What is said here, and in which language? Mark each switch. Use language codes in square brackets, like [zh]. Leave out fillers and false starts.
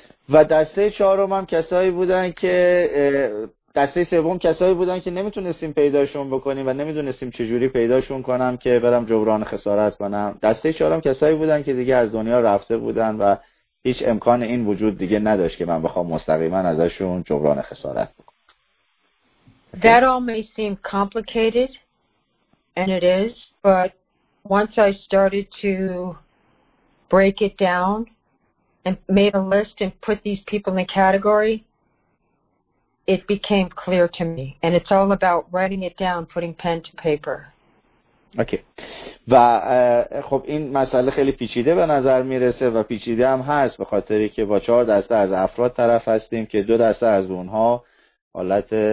[fa] و دسته چهارم هم کسایی بودن که دسته سوم کسایی بودن که نمیتونستیم پیداشون بکنیم و نمیدونستیم چجوری پیداشون کنم که برم جبران خسارت کنم. دسته چهارم کسایی بودن که دیگه از دنیا رفته بودن و هیچ امکان این وجود دیگه نداشت که من بخوام مستقیما ازشون جبران خسارت بکنم. [en] That all may seem complicated, and it is, but once I started to break it down and made a list and put these people in the category, it became clear to me. And it's all about writing it down, putting pen to paper. Okay. [fa] و خب این مسئله خیلی پیچیده به نظر میرسه و پیچیده هم هست، به خاطری که با چهار دسته از افراد طرف هستیم که دو دسته از اونها حالت